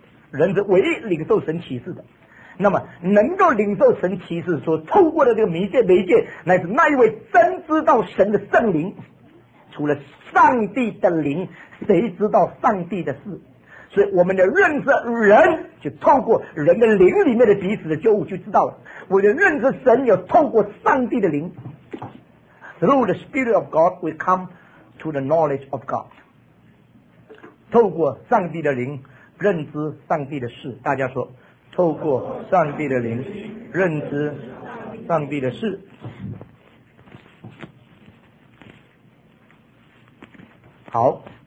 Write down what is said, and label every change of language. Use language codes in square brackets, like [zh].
[zh] 人是唯一领受神启示的。那么，能够领受神启示所透过的这个媒介，乃是那一位真知道神的圣灵。除了上帝的灵，谁知道上帝的事？所以我们的认识人，就透过人的灵里面的彼此的觉悟就知道了。我的认识神，要透过上帝的灵。 [en] Through the Spirit of God, we come to the knowledge of God. [zh] 透过上帝的灵认知上帝的事，大家说，透过上帝的灵认知上帝的事。好。